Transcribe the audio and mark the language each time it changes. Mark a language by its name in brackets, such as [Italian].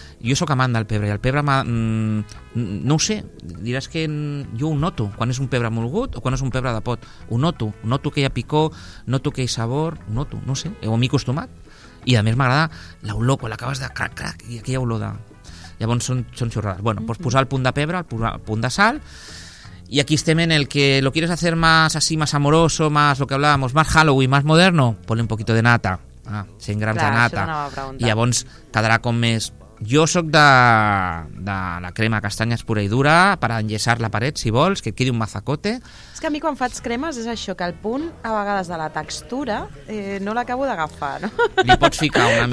[Catalan] Jo sóc amant del pebre, i el pebre no ho sé, diràs que jo ho noto, quan és un pebre mulgut o quan és un pebre de pot, ho noto que hi ha picor, noto que hi ha sabor, noto, no ho sé, ho m'he acostumat. I a més m'agrada l'olor, quan l'acabes de crac, crac, i aquella olor de... Llavors són xorrades. Bueno, mm-hmm. pots posar el punt de pebre, el punt de sal, i aquí estem en el que [Spanish] lo quieres hacer más así, más amoroso, más lo que hablábamos, más Halloween, más moderno, ponle un poquito de nata, [Catalan] 100 grams clar, de nata, i llavors quedarà com més... Jo sóc de la crema de castanyes pura i dura, per enllaçar la paret, si vols, que et quedi un mazacote. És que a mi quan faig cremes és això, que el punt, a vegades, de la textura, no l'acabo d'agafar, no? Li pots ficar una mica...